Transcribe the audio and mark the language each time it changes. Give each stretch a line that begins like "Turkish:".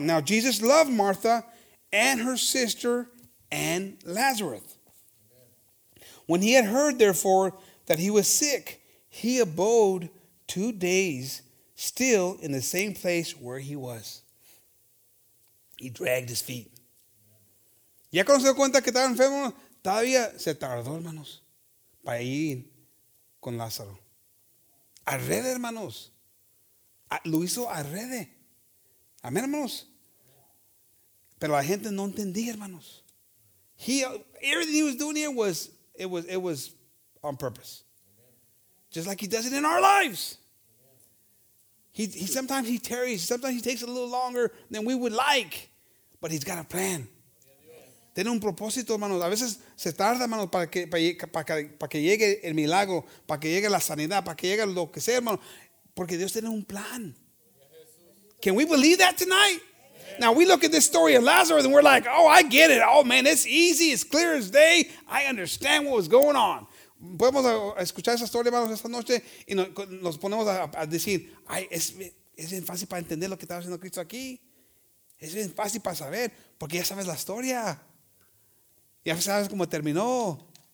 English: Now Jesus loved Martha and her sister and Lazarus. When he had heard, therefore, that he was sick, he abode 2 days still in the same place where he was. He dragged his feet.
Spanish: Ya cuando se dio cuenta que estaba enfermo, todavía se tardó, hermanos, para ir con Lázaro. Arrede, hermanos. Lo hizo arrede. Amén, hermanos. Pero la gente no entendía, hermanos.
English: Everything he was doing here was, it was on purpose. Just like he does it in our lives. Sometimes he tarries. Sometimes he takes a little longer than we would like. But he's got a plan.
Spanish: Tiene un propósito, hermanos. A veces se tarda, hermanos, para que llegue el milagro, para que llegue la sanidad, para que llegue lo que sea, hermanos. Porque Dios tiene un plan.
English: Can we believe that tonight?
Spanish: Amen.
English: Now, we look at this story of Lazarus, and we're like, oh, I get it. Oh, man, it's easy. It's clear as day. I understand what was going on.
Spanish: Podemos escuchar esa historia, hermanos, esta noche, y nos ponemos a decir, ay, es bien fácil para entender lo que está haciendo Cristo aquí. Es bien fácil para saber, porque ya sabes la historia. Ya sabes cómo terminó.